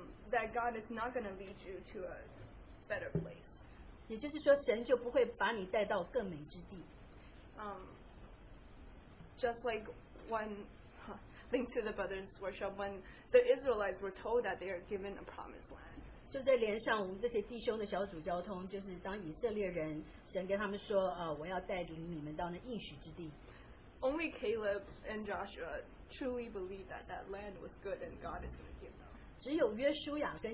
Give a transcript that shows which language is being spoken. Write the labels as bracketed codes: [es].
[en] That God is not going to lead you to a better place. [zh] 也就是说神就不会把你带到更美之地。 [en] Just like when, linked to the brothers' worship, when the Israelites were told that they are given a promised land. [zh] 就在连上我们这些弟兄的小组交通，就是当以色列人，神跟他们说，我要带领你们到那应许之地。 [en] Only Caleb and Joshua truly believe that that land was good and God is going to give them.